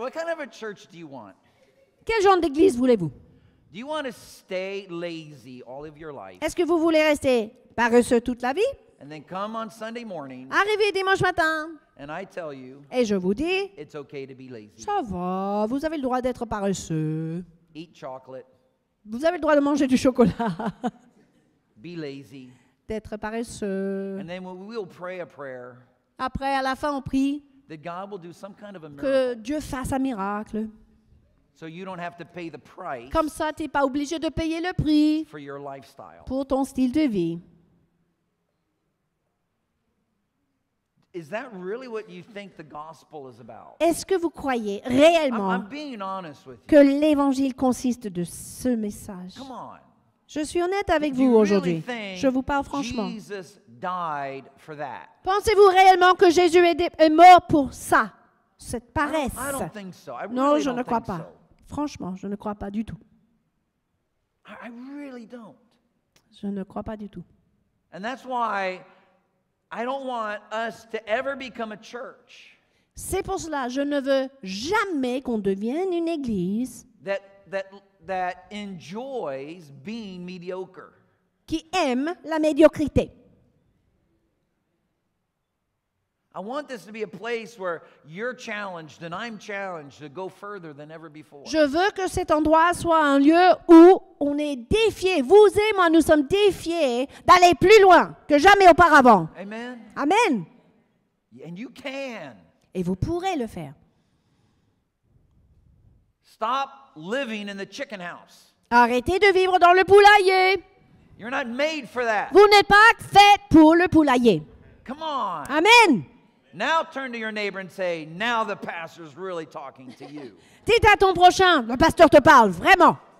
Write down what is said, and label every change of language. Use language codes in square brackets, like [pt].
[en] What kind of a church do you want? [fr] Quel genre d'église voulez-vous? [en] Do you want to stay lazy all of your life? [fr] Est-ce que vous voulez rester paresseux toute la vie? [en] And then come on Sunday morning. [fr] Arrivez dimanche matin. [en] And I tell you. [fr] Et je vous dis. [en] It's okay to be lazy. [fr] Ça va. Vous avez le droit d'être paresseux. [en] Eat chocolate. [fr] Vous avez le droit de manger du chocolat. [en] Be lazy. [fr] D'être paresseux. [en] And then we will pray a prayer. [fr] Après, à la fin, on prie. [en] That God will do some kind of a miracle. [fr] Que Dieu fasse un miracle. [en] So you don't have to pay the price. [fr] Comme ça, t'es pas obligé de payer le prix. [en] For your lifestyle. [fr] Pour ton style de vie. [en] Is that really what you think the gospel is about? [fr] Est-ce que vous croyez réellement [en] I'm being honest with you. [fr] Que l'évangile consiste de ce message? [en] Come on. [fr] Je suis honnête avec vous aujourd'hui. Je vous parle franchement. [en] Jesus died for that. [fr] Pensez-vous réellement que Jésus est mort pour ça, cette paresse? [en] I don't think so. I really [fr] non, je [en] don't [fr] ne crois pas. [en] So. [fr] Franchement, je ne crois pas du tout. [en] I really don't. [fr] Je ne crois pas du tout. [en] And that's why I don't want us to ever become a church. [fr] C'est pour cela que je ne veux jamais qu'on devienne une église. [en] That enjoys being mediocre. [fr] Qui aime la médiocrité. [en] I want this to be a place where you're challenged and I'm challenged to go further than ever before. [fr] Je veux que cet endroit soit un lieu où on est défiés, vous et moi, nous sommes défiés d'aller plus loin que jamais auparavant. [en] Amen. [fr] Amen. [en] And you can. [fr] Et vous pourrez le faire. [en] Stop living in the chicken house. [fr] Arrêtez de vivre dans le poulailler. [en] You're not made for that. [fr] Vous n'êtes pas fait pour le poulailler. [en] Come on. [fr] Amen. [en] Now turn to your neighbor and say, now the pastor's really talking to you. [fr] Dites à ton prochain, le pasteur te parle vraiment.